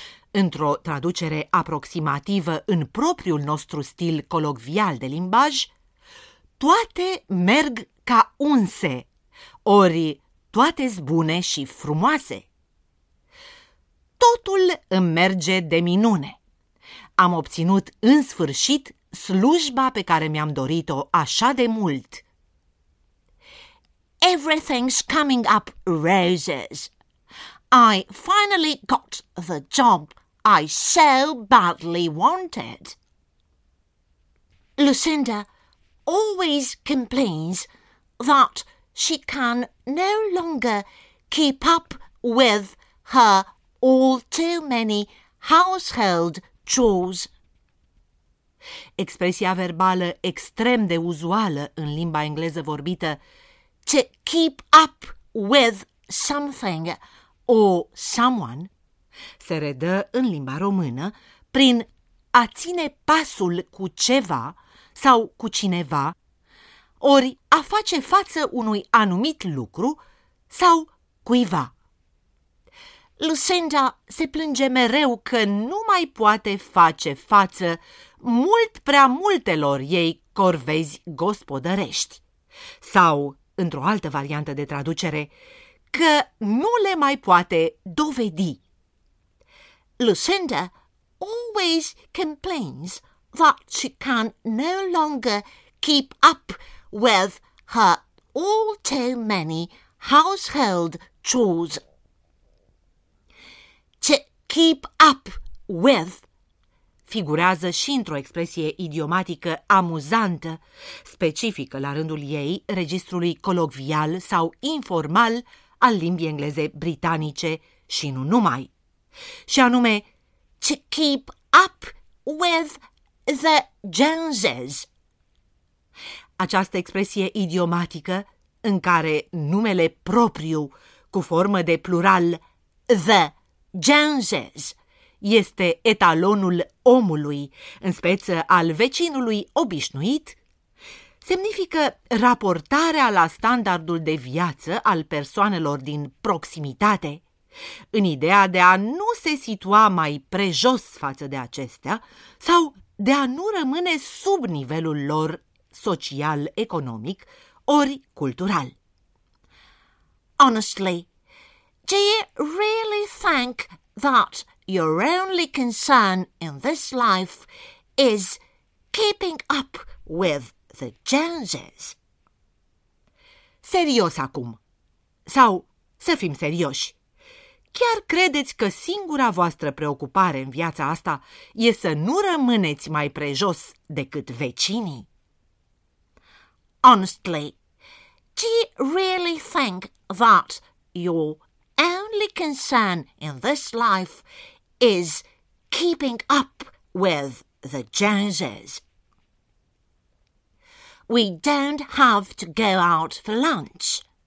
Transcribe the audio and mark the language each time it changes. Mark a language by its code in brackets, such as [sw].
[ro] Într-o traducere aproximativă în propriul nostru stil colocvial de limbaj, toate merg ca unse, ori toate-s bune și frumoase. Totul îmi merge de minune. Am obținut în sfârșit slujba pe care mi-am dorit-o așa de mult. [en] Everything's coming up roses. I finally got the job I so badly wanted. Lucinda always complains that she can no longer keep up with her all too many household chores. [ro] Expresia verbală extrem de uzuală în limba engleză vorbită, [en] to keep up with something or someone, [ro] se redă în limba română prin a ține pasul cu ceva sau cu cineva, ori a face față unui anumit lucru sau cuiva. Lucinda se plânge mereu că nu mai poate face față mult prea multelor ei corvezi gospodărești. Sau, într-o altă variantă de traducere, că nu le mai poate dovedi. [en] Lucinda always complains that she can no longer keep up with her all too many household chores. To keep up with [ro] figurează și într-o expresie idiomatică amuzantă, specifică la rândul ei registrului colocvial sau informal al limbii engleze britanice și nu numai. Și anume, [en] to keep up with the Joneses. [ro] Această expresie idiomatică, în care numele propriu, cu formă de plural, [en] the Joneses, [ro] este etalonul omului, în speță al vecinului obișnuit, semnifică raportarea la standardul de viață al persoanelor din proximitate, în ideea de a nu se situa mai prejos față de acestea sau de a nu rămâne sub nivelul lor social-economic ori cultural. [en] Honestly, do you really think that your only concern in this life is keeping up with the Joneses? [ro] Serios acum, sau să fim serioși, chiar credeți că singura voastră preocupare în viața asta e să nu rămâneți mai prejos decât vecinii? [en] Honestly, do you really think that your only concern in this life is keeping up with the Joneses? We don't have to go out for lunch.